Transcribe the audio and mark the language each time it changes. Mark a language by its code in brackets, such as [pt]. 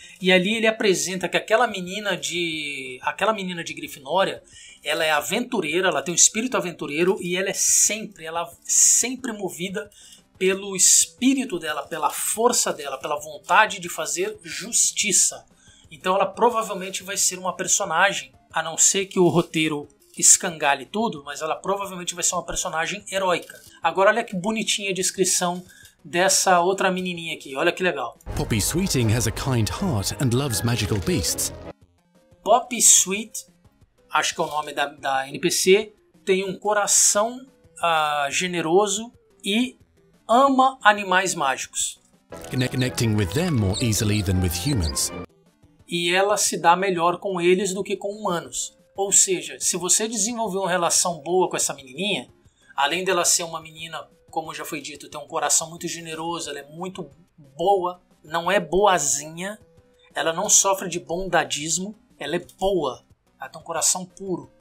[pt] E ali ele apresenta que aquela menina de Grifinória, ela é aventureira, ela tem um espírito aventureiro e ela é sempre movida pelo espírito dela, pela força dela, pela vontade de fazer justiça. Então ela provavelmente vai ser uma personagem, a não ser que o roteiro escangalhe tudo, mas ela provavelmente vai ser uma personagem heróica. Agora olha que bonitinha a descrição dessa outra menininha aqui, olha que legal. [en] Poppy Sweeting has a kind heart and loves magical beasts. [pt] Poppy Sweet, acho que é o nome da NPC, tem um coração generoso e ama animais mágicos. [en] Connecting with them more easily than with humans. [pt] E ela se dá melhor com eles do que com humanos. Ou seja, se você desenvolver uma relação boa com essa menininha, além dela ser uma menina, como já foi dito, tem um coração muito generoso, ela é muito boa, não é boazinha, ela não sofre de bondadismo, ela é boa, ela tem um coração puro.